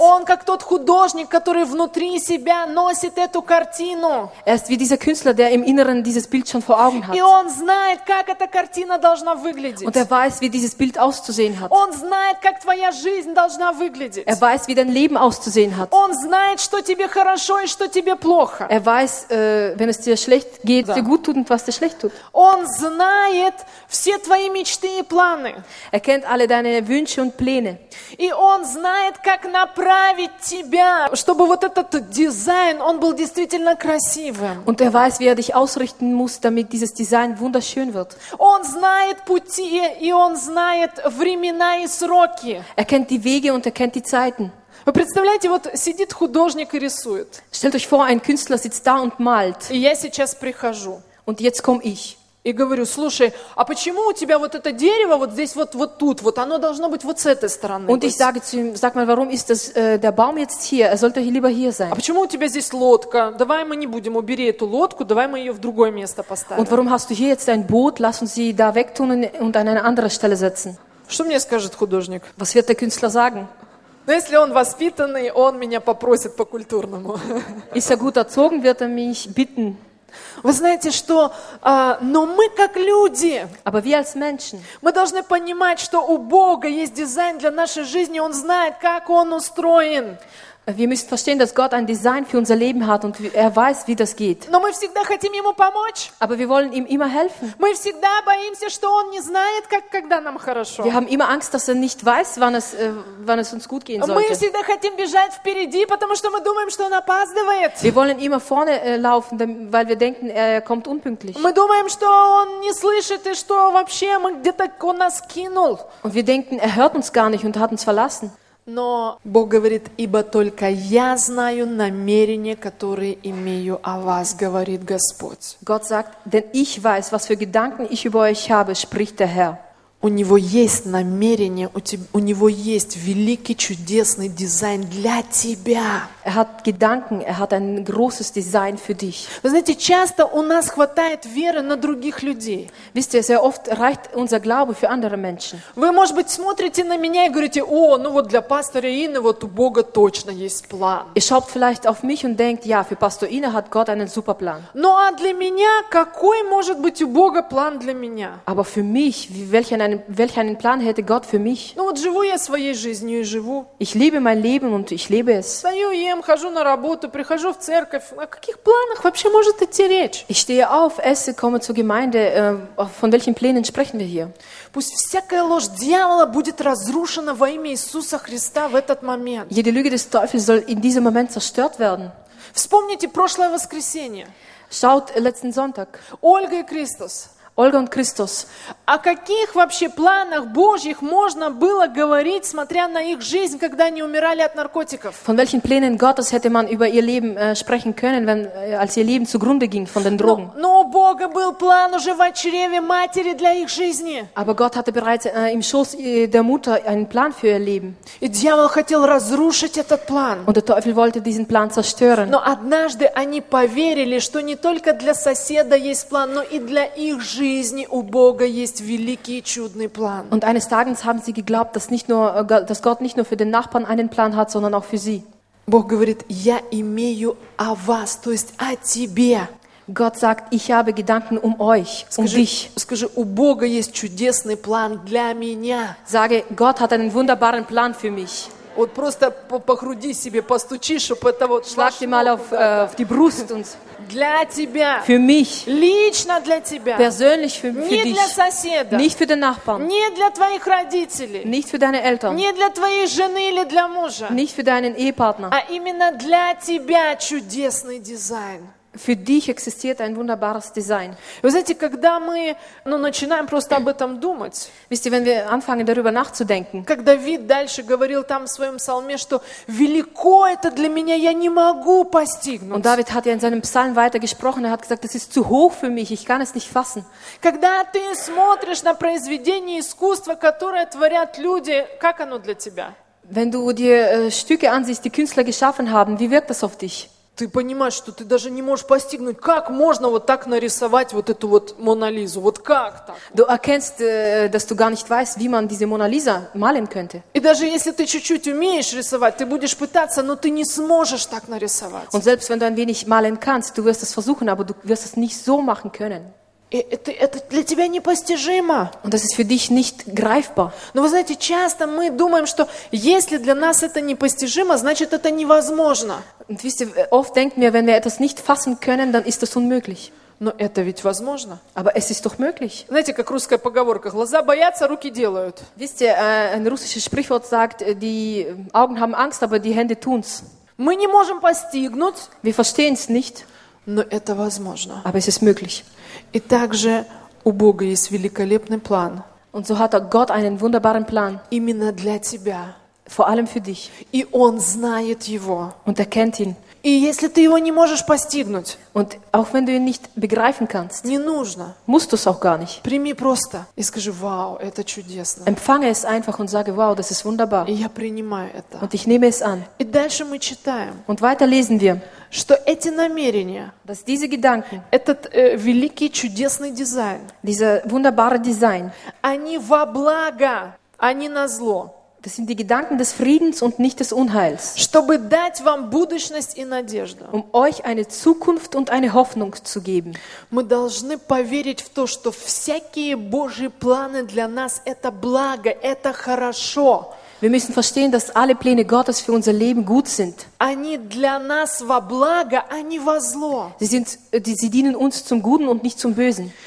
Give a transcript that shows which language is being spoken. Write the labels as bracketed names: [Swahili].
[Russian] Он как тот художник, который внутри себя носит эту картину. [German] Er ist wie dieser Künstler, der im Inneren dieses Bild schon vor Augen hat. [Russian] И он знает, как эта картина должна выглядеть. [German] Und weiß, wie dieses Bild auszusehen hat. [Russian] Он знает, как твоя жизнь должна выглядеть. [German] Weiß, wie dein Leben auszusehen hat. [Russian] Он знает, что тебе хорошо и что тебе плохо. [German] Weiß, wenn es dir schlecht geht, да. Dir gut tut und was dir schlecht tut. [Russian] Он знает все твои мечты и планы. [German] Kennt alle deine Wünsche und Pläne. [Russian] И он знает, как направить тебя, чтобы вот этот дизайн, он был действительно красивым. [German] Und weiß, wie dich ausrichten muss, damit dieses Design wunderschön wird. [Russian] Он знает пути, и он знает времена и сроки. [German] Kennt die Wege und kennt die Zeiten. [Russian] Вы представляете, вот сидит художник и рисует. [German] Stellt euch vor, ein Künstler sitzt da und malt. [Russian] И я сейчас прихожу. [German] Und jetzt komm ich. [Russian] И говорю, слушай, а почему у тебя вот это дерево вот здесь вот, вот тут, вот оно должно быть вот с этой стороны? [German] Und ich sage zu ihm, sag mal, warum ist das, der Baum jetzt hier? Er sollte lieber hier sein. [Russian] А почему у тебя здесь лодка? Давай мы не будем, убери эту лодку, давай мы ее в другое место поставим. [German] Und warum hast du hier jetzt ein Boot? Lass uns sie da wegtun und an eine andere Stelle setzen. [Russian] Что мне скажет художник? [German] Was wird der Künstler sagen? [Russian] Но если он воспитанный, он меня попросит по-культурному. Если [German] gut erzogen, wird mich bitten. [Russian] Вы знаете, что, но мы как люди, [German] aber wir als Menschen, [Russian] мы должны понимать, что у Бога есть дизайн для нашей жизни, Он знает, как Он устроен. [German] Wir müssen verstehen, dass Gott ein Design für unser Leben hat und er weiß, wie das geht. [Russian] Но мы всегда хотим ему помочь. [German] Aber wir wollen ihm immer helfen. [Russian] Мы всегда боимся, что он не знает, как когда нам хорошо. [German] Wir haben immer Angst, dass er nicht weiß, wann es uns gut gehen sollte. [Russian] Мы всегда хотим бежать впереди, потому что мы думаем, что он опаздывает. [German] Wir wollen immer vorne laufen, weil wir denken, er kommt unpünktlich. [Russian] Мы думаем, что он не слышит и что вообще мы где-то он нас кинул. [German] Und wir denken, er hört uns gar nicht und hat uns verlassen. [Russian] Но Бог говорит, ибо только я знаю намерения, которые имею о вас, говорит Господь. [German] Gott sagt, denn ich weiß, was für Gedanken ich über euch habe, spricht der Herr. [Russian] У него есть намерение, у него есть великий чудесный дизайн для тебя. [German] Er hat Gedanken, er hat ein großes Design für dich. [Russian] Вы знаете, часто у нас хватает веры на других людей. [German] Wisst ihr, sehr oft reicht unser Glaube für andere Menschen. [Russian] Вы, может быть, смотрите на меня и говорите, о, ну вот для пастора Инны вот у Бога точно есть план. [German] Ihr schaut vielleicht auf mich und denkt, ja, für Pastor Inne hat Gott einen super Plan. [Russian] Ну а для меня какой может быть у Бога план для меня? [German] Aber für mich, welchen Plan hätte Gott für mich? [Russian] Ну вот живу я своей жизнью и живу. [German] Ich lebe mein Leben und ich lebe es. [Russian] Хожу на работу, прихожу в церковь. О каких планах вообще может идти речь? [German] Ich stehe auf, esse, komme zur Gemeinde. Von welchen Plänen sprechen wir hier? [Russian] Пусть всякая ложь дьявола будет разрушена во имя Иисуса Христа в этот момент. [German] Jede Lüge des Teufels soll in diesem Moment zerstört werden. [Russian] Вспомните прошлое воскресенье. [German] Schaut letzten Sonntag. [Russian] Ольга и Христос. [German] Ольга und Christus. [Russian] О каких вообще планах Божьих можно было говорить, смотря на их жизнь, когда они умирали от наркотиков? [German] Von welchen Plänen Gottes hätte man über ihr Leben sprechen können, als ihr Leben zugrunde ging von den Drogen? [Russian] Но у Бога был план уже в чреве матери для их жизни. [German] Aber Gott hatte bereits im Schoß der Mutter einen Plan für ihr Leben. [Russian] И дьявол хотел разрушить этот план. [German] Und der Teufel wollte diesen Plan zerstören. [Russian] Но однажды они поверили, что не только для соседа есть план, но и для их жизни. Жизни у Бога есть великий чудный план. [German] Und eines Tages haben sie geglaubt, dass Gott nicht nur für den Nachbarn einen Plan hat, sondern auch für sie. [Russian] Бог говорит: "Я имею о вас", то есть о тебе. [German] Gott sagt: "Ich habe Gedanken um euch, [Russian] скажи, [German] um dich". [Russian] Скажи: "У Бога есть чудесный план для меня". [German] Sage: "Gott hat einen wunderbaren Plan für mich". [Russian] Вот просто по груди себе постучи, чтобы это вот [German] Schlag dir mal auf die Brust und [Russian] для тебя. [German] Für mich. [Russian] Лично для тебя. [German] Persönlich für [Russian] не [German] dich. [Russian] Для соседа. [German] Nicht für den Nachbarn. [Russian] Не для твоих родителей. [German] Nicht für deine Eltern. [Russian] Не для твоей жены или для мужа. [German] Nicht für deinen Ehepartner. [Russian] А именно для тебя чудесный дизайн. [German] Für dich existiert ein wunderbares Design. [Russian] Вы знаете, когда мы, ну, начинаем просто об этом думать. [German] Wisst ihr, wenn wir anfangen darüber nachzudenken. [Russian] Как Давид дальше говорил там в своем псалме, что велико это для меня, я не могу постигнуть. [German] Und David hat ja in seinem Psalm weitergesprochen, er hat gesagt, das ist zu hoch für mich, ich kann es nicht fassen. [Russian] Когда ты смотришь на произведение искусства, которое творят люди, как оно для тебя? [German] Wenn du dir Stücke ansiehst, die Künstler geschaffen haben, wie wirkt das auf dich? [Russian] Ты понимаешь, что ты даже не можешь постигнуть, как можно вот так нарисовать вот эту вот Мона Лизу, вот как так? [German] Du erkennst, dass du gar nicht weißt, wie man diese Mona Lisa malen könnte. [Russian] И даже если ты чуть-чуть умеешь рисовать, ты будешь пытаться, но ты не сможешь так нарисовать. [German] Und selbst wenn du ein wenig malen kannst, du wirst es versuchen, aber du wirst es nicht so machen können. [Russian] Это для тебя непостижимо. [German] Und das ist für dich nicht greifbar. [Russian] Но вы знаете, часто мы думаем, что если для нас это непостижимо, значит это невозможно. [German] Und wisst ihr, oft denken wir, wenn wir etwas nicht fassen können, dann ist das unmöglich. [Russian] Но это ведь возможно. [German] Aber es ist doch möglich. [Russian] Знаете, как русская поговорка: глаза боятся, руки делают. [German] Wisst ihr, ein russisches Sprichwort sagt, die Augen haben Angst, aber die Hände tun's. [Russian] Мы не можем постигнуть. [German] Wir verstehen's nicht. [Russian] Но это возможно. [German] Aber es ist möglich. [Russian] И также у Бога есть великолепный план. [German] Und so hat Gott einen wunderbaren Plan. [Russian] Именно для тебя. [German] Vor allem für dich. [Russian] И он знает его. [German] Und er kennt ihn. [Russian] И если ты его не можешь постигнуть, [German] und auch wenn du ihn nicht begreifen kannst, [Russian] не нужно. [German] Musst du es auch gar nicht. [Russian] Прими просто и скажи: «Вау, это чудесно». [German] Empfange es einfach und sage: «Wow, das ist wunderbar». [Russian] И я принимаю это. [German] Und ich nehme es an. [Russian] И дальше мы читаем. [German] Und weiter lesen wir. [Russian] Что эти намерения, [German] dass diese Gedanken, [Russian] этот великий чудесный дизайн, [German] dieser wunderbare Design, [Russian] они во благо, а не на зло. [German] Das sind die Gedanken des Friedens und nicht des Unheils. [Russian] Чтобы дать вам будущность и надежду. [German] Um euch eine Zukunft und eine Hoffnung zu geben. [Russian] Мы должны поверить в то, что всякие Божьи планы для нас – это благо, это хорошо. [German] Wir müssen verstehen, dass alle Pläne Gottes für unser Leben gut sind. [Russian] Они для нас во благо, а не во зло. [German] Sie dienen uns zum Guten und nicht zum Bösen.